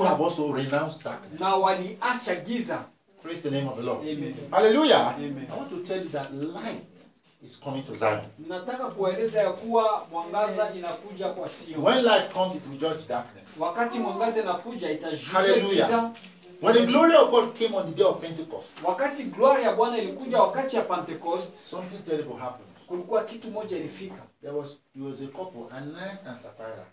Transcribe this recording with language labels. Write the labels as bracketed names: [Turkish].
[English] Who have also renounced darkness. [Swahili] Na waliacha giza. [English] Praise the name of the Lord. Amen. Hallelujah. Amen. I want to tell you that light is coming to Zion. [Swahili] Nataka kueleza ya kuwa mwangaza inakuja kwa Sion. [English] When light comes it will judge darkness. [Swahili] Wakati mwangaza inakuja itajua. [English] Hallelujah. When the glory of God came on the day of Pentecost. [Swahili] Wakati glory ya Bwana ilikuja wakati ya Pentecost, [English] something terrible happened. [Swahili] Kulikuwa kitu moja ilifika. [English] There was a couple, Ananias and Sapphira.